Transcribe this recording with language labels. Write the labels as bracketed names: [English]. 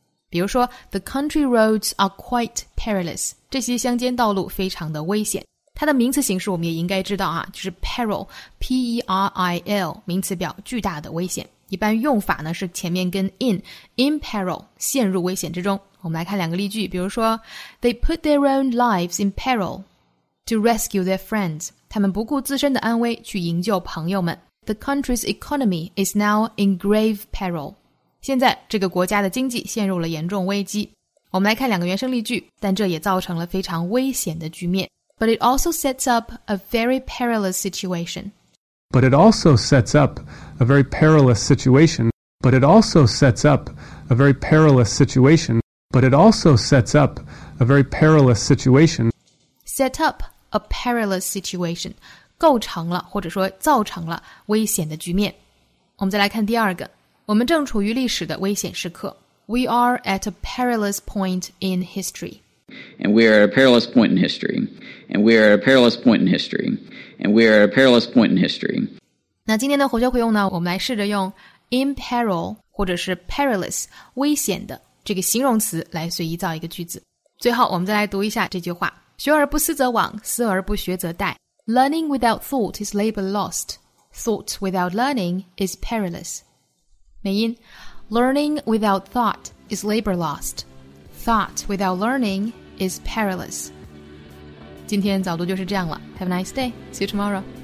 [Chinese] 比如说 [English] The country roads are quite perilous， [Chinese] 这些乡间道路非常的危险。它的名词形式我们也应该知道啊，就是 peril， P-E-R-I-L， 名词表巨大的危险。一般用法呢是前面跟 in peril， 陷入危险之中。我们来看两个例句，比如说 [English] They put their own lives in peril to rescue their friends， [Chinese] 他们不顾自身的安危去营救朋友们。 [English] The country's economy is now in grave peril， [Chinese] 现在这个国家的经济陷入了严重危机。我们来看两个原生例句，但这也造成了非常危险的局面。 [English] But it also sets up a very perilous situation. But it also sets up a very perilous situation. But it also sets up a very perilous situation. But it also sets up a very perilous situation. Set up a perilous situation. [Chinese] 构成了或者说造成了危险的局面。我们再来看第二个。我们正处于历史的危险时刻。 [English] We are at a perilous point in history. And we are at a perilous point in history. And we are at a perilous point in history. And we are at a perilous point in history. [Chinese] 那今天的活学会用呢，我们来试着用 in peril 或者是 perilous 危险的这个形容词来随意造一个句子。最后我们再来读一下这句话。学而不思则罔，思而不学则殆。 [English] Learning without thought is labor lost. Thought without learning is perilous. [Chinese] 美音。 [English] Learning without thought is labor lost. Thought without learning is perilous. [Chinese] 今天早读就是这样了。 [English] Have a nice day. See you tomorrow.